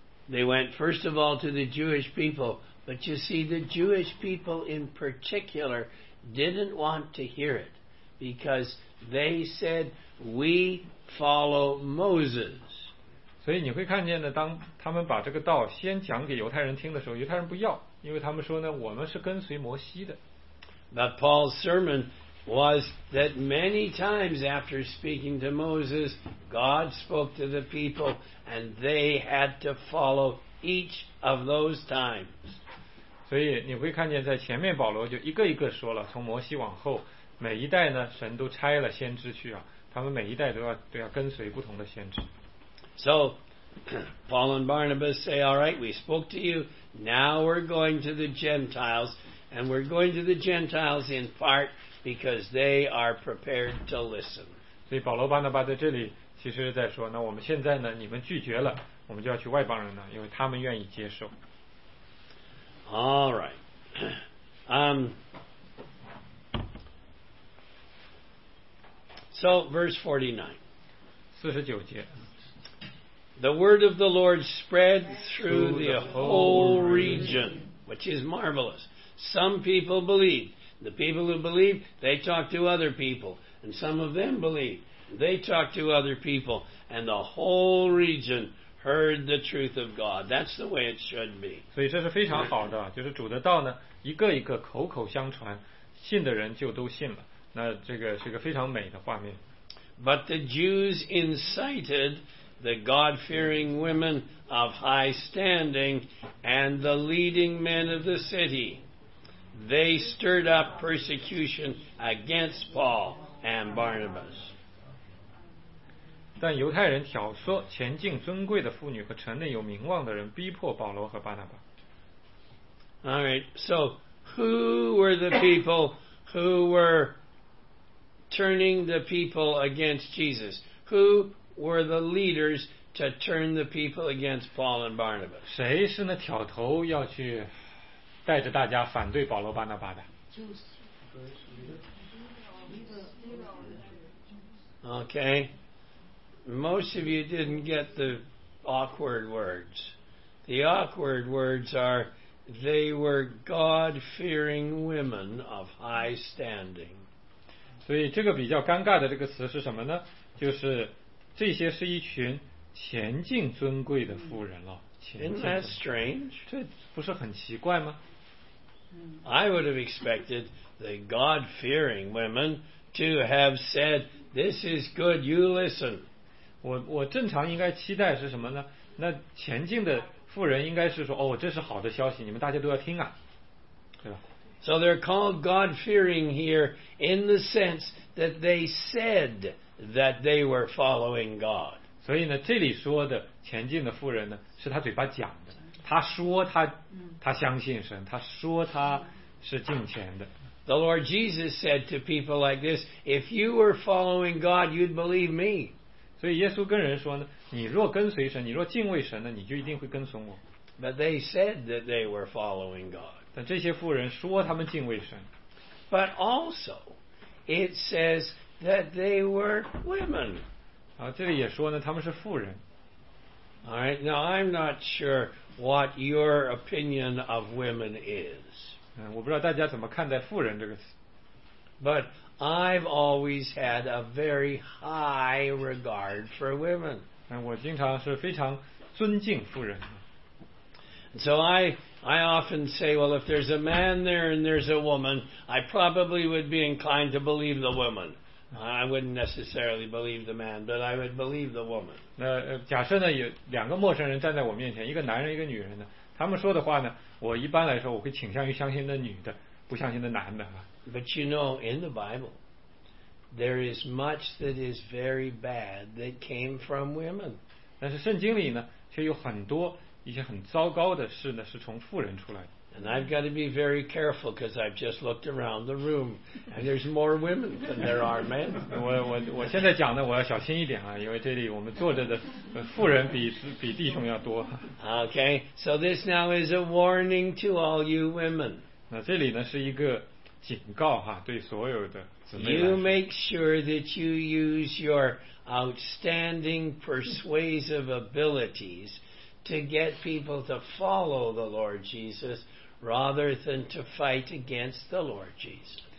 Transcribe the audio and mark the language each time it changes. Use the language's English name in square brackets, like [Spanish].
[English] They went first of all to the Jewish people, but you see, the Jewish people in particular didn't want to hear it because they said, "We follow Moses." [Chinese] 所以你会看见呢，当他们把这个道先讲给犹太人听的时候，犹太人不要，因为他们说呢，我们是跟随摩西的。 [English] But Paul's sermon was that many times after speaking to Moses, God spoke to the people, and they had to follow each of those times. [Chinese] 所以你会看见在前面保罗就一个一个说了，从摩西往后，每一代呢，神都差了先知去啊，他们每一代都要跟随不同的先知。 [English] So, Paul and Barnabas say, all right, we spoke to you, now we're going to the Gentiles, and we're going to the Gentiles in part because they are prepared to listen. [Chinese] 所以保罗、巴拿巴在这里其实在说，那我们现在呢，你们拒绝了，我们就要去外邦人了，因为他们愿意接受。 [English] All right. So, verse 49. [Chinese] 49节。 [English] The word of the Lord spread through the whole region, which is marvelous. Some people believed. The people who believed, they talked to other people. And some of them believed. They talked to other people. And the whole region heard the truth of God. That's the way it should be. [Chinese] 所以这是非常好的，就是主的道呢，一个一个口口相传，信的人就都信了。那这个是一个非常美的画面。 [English] But the Jews incited... The God-fearing women of high standing and the leading men of the city. They stirred up persecution against Paul and Barnabas. [Chinese] 但犹太人挑唆前进尊贵的妇女和城内有名望的人逼迫保罗和巴拿巴。 [English] All right, so who were the people who were turning the people against Jesus? Who... were the leaders to turn the people against Paul and Barnabas. [Chinese] 谁是那挑头要去带着大家反对保罗巴拿巴的？ [English] Okay. Most of you didn't get the awkward words. The awkward words are they were God-fearing women of high standing. [Chinese] 所以这个比较尴尬的这个词是什么呢？就是这些是一群前进尊贵的妇人了。 [English] Isn't that strange? [Chinese] 这不是很奇怪吗？ [English] I would have expected the God-fearing women to have said, this is good, you listen. [Chinese] 我正常应该期待是什么呢？那前进的妇人应该是说，哦，这是好的消息，你们大家都要听啊，对吧？ [English] So they're called God-fearing here in the sense that they said that they were following God. [Chinese] 所以呢，这里说的前进的妇人呢，是他嘴巴讲的，他说他相信神，他说他是敬虔的。 [English] The Lord Jesus said to people like this, if you were following God, you'd believe me. [Chinese] 所以耶稣跟人说呢，你若跟随神，你若敬畏神呢，你就一定会跟从我。 [English] But they said that they were following God. [Chinese] 但这些妇人说他们敬畏神。 [English] But also, it says that they were women. [Chinese] 啊，这里也说呢，他们是妇人。 [English] All right, now I'm not sure what your opinion of women is. [Chinese] 我不知道大家怎么看待妇人这个词。 [English] But I've always had a very high regard for women. [Chinese] 我经常是非常尊敬妇人。 [English] So I often say, well, if there's a man there and there's a woman, I probably would be inclined to believe the woman. I wouldn't necessarily believe the man, but I would believe the woman. [Chinese] 假设呢，有两个陌生人站在我面前，一个男人，一个女人呢，他们说的话呢，我一般来说我会倾向于相信那女的，不相信那男的。 [English] But you know, in the Bible, there is much that is very bad that came from women. [Chinese] 但是圣经里呢，却有很多一些很糟糕的事呢，是从妇人出来的。 [English] And I've got to be very careful because I've just looked around the room and there's more women than there are men. [Chinese] 我现在讲的我要小心一点啊，因为这里我们坐着的妇人比弟兄要多。 [English] Okay, so this now is a warning to all you women. [Chinese] 那这里呢是一个警告哈，对所有的姊妹。 [English] You make sure that you use your outstanding persuasive abilities to get people to follow the Lord Jesus rather than to fight against the Lord Jesus.